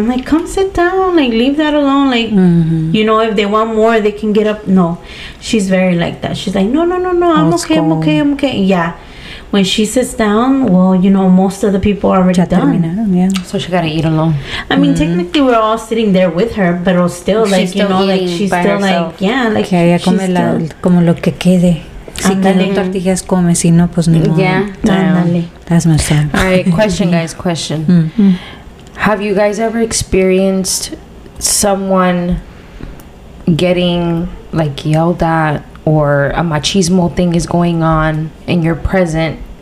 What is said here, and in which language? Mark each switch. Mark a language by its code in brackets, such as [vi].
[en] I'm like, come sit down, like, leave that alone. Like, you know, if they want more, they can get up. No, she's very like that. She's like, no, I'm okay, school. I'm okay. Yeah, when she sits down, well, you know, most of the people are already done. So she gotta eat alone. I mean, technically, we're all sitting there with her, but still, like, she's, you know, like, she's still herself. Like, yeah, like, [es] que ella come la, como lo que quede. Si quieren tortillas, come. Si no, pues no. [en] That's my son. All right, question, guys, question. Have you guys ever experienced someone getting, like, yelled at, or a machismo thing is going on in your present?